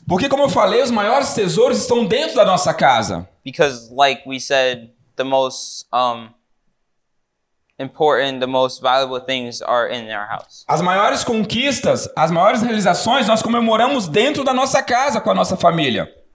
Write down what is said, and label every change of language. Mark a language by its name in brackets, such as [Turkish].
[Portuguese] Porque, como eu falei, os maiores tesouros estão dentro da nossa casa. [English] Because, like we said, the most important, the most valuable things are in our house. [Portuguese] As maiores conquistas, as maiores realizações, nós comemoramos dentro da nossa casa com a nossa família.